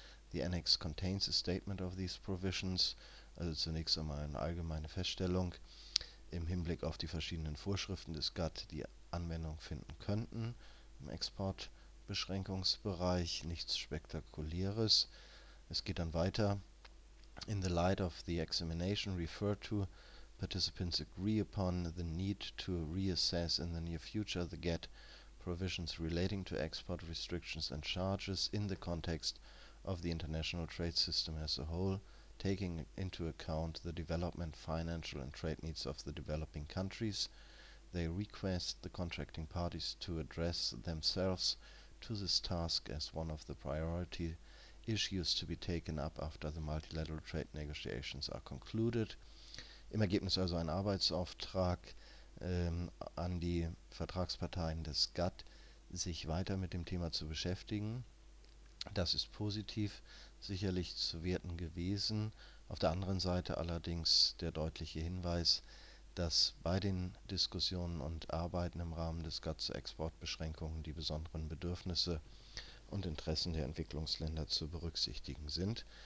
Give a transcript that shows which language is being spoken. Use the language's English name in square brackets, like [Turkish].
[English] The annex contains a statement of these provisions. [German] Also zunächst einmal eine allgemeine Feststellung im Hinblick auf die verschiedenen Vorschriften des GATT, die Anwendung finden könnten im Exportbeschränkungsbereich. Nichts Spektakuläres. Es geht dann weiter. [English] In the light of the examination referred to, participants agree upon the need to reassess in the near future the GATT provisions relating to export restrictions and charges in the context of the international trade system as a whole, taking into account the development, financial and trade needs of the developing countries. They request the contracting parties to address themselves to this task as one of the priority issues to be taken up after the multilateral trade negotiations are concluded. [German] Im Ergebnis also ein Arbeitsauftrag an die Vertragsparteien des GATT, sich weiter mit dem Thema zu beschäftigen. Das ist positiv sicherlich zu werten gewesen. Auf der anderen Seite allerdings der deutliche Hinweis, dass bei den Diskussionen und Arbeiten im Rahmen des GATT zu Exportbeschränkungen die besonderen Bedürfnisse und Interessen der Entwicklungsländer zu berücksichtigen sind.